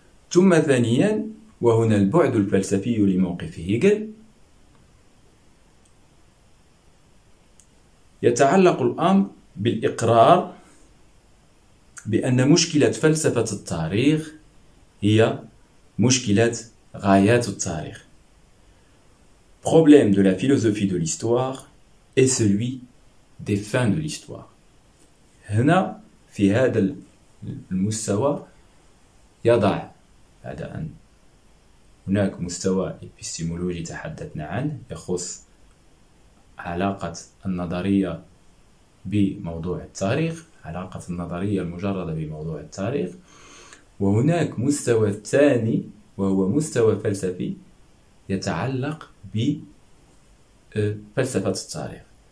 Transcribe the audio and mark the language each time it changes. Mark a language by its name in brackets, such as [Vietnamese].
[Arabic] ثم ثانيا، وهنا البعد الفلسفي لموقف هيجل، يتعلق الأمر بالإقرار بأن مشكلة فلسفة التاريخ هي مشكلة غايات التاريخ. [French] Problème de la philosophie de l'histoire est celui des fins de l'histoire. [Arabic] هنا في هذا المستوى يضع، بعد أن هناك مستوى إبستيمولوجي تحدثنا عنه يخص علاقة النظرية بموضوع التاريخ، علاقة النظرية المجردة بموضوع التاريخ، وهناك مستوى ثاني وهو مستوى فلسفي يتعلق بفلسفة التاريخ.